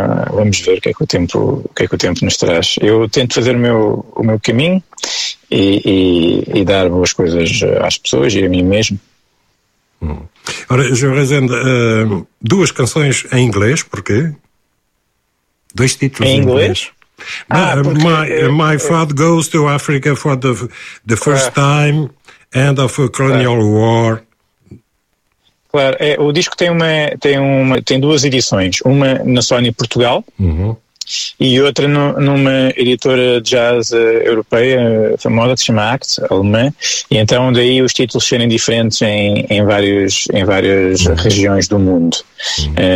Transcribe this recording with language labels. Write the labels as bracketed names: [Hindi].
[Portuguese] Vamos ver o que é que o tempo nos traz. Eu tento fazer o meu caminho e dar boas coisas às pessoas e a mim mesmo. Ora, João Rezende, duas canções em inglês, porquê? Dois títulos em inglês? [English] My father goes to Africa for the first time, end of a colonial war. [Portuguese] Claro, o disco tem duas edições, uma na Sony Portugal, uhum, e outra numa editora de jazz europeia famosa, que se chama ACT, alemã, e então daí os títulos serem diferentes em várias uhum, regiões do mundo. Uhum.